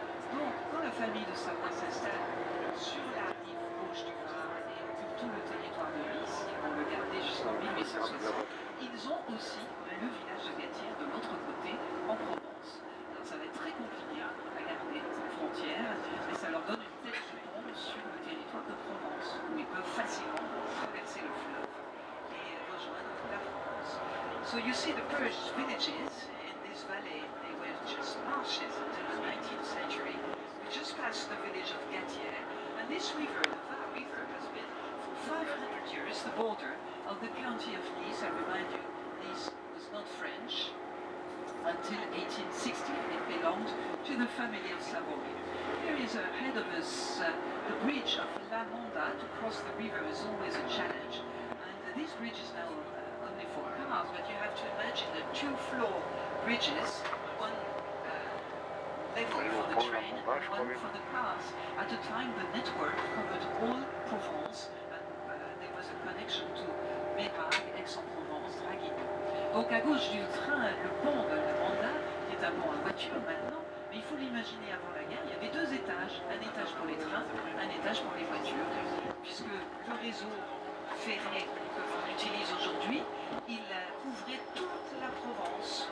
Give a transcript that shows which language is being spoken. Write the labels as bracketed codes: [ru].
[fr] Donc, quand la famille de Savoie s'installe sur la rive gauche du Var et occupe tout le territoire de Nice, ils vont le garder jusqu'en 1860, ils ont aussi le village de Gatière de l'autre côté, en Provence. Alors, ça va être très compliqué à garder cette frontière, mais ça leur donne une tête de pont sur le territoire de Provence, où ils peuvent facilement traverser le fleuve et rejoindre la France. [en] So you see the Persian villages in this valley, they were just marshes until the 19th century. We just passed the village of Gatière, and this river, the Var River, has been for 500 years the border of the county of Nice. I remind you, Nice was not French until 1860, and it belonged to the family of Savoy. Here is ahead of us the bridge of La Monda. To cross the river is always a challenge, and this bridge is now for cars, but you have to imagine the two-floor bridges, one level for the train, one for the cars. At the time, the network covered all Provence, and there was a connection to Mérague, Aix-en-Provence, Draguignan. [fr] Donc à gauche du train, le pont de la Manda, qui est un pont à voiture maintenant, mais il faut l'imaginer avant la guerre, il y avait deux étages, un étage pour les trains, un étage pour les voitures, puisque le réseau ferré que l'on utilise aujourd'hui, il couvrait toute la Provence.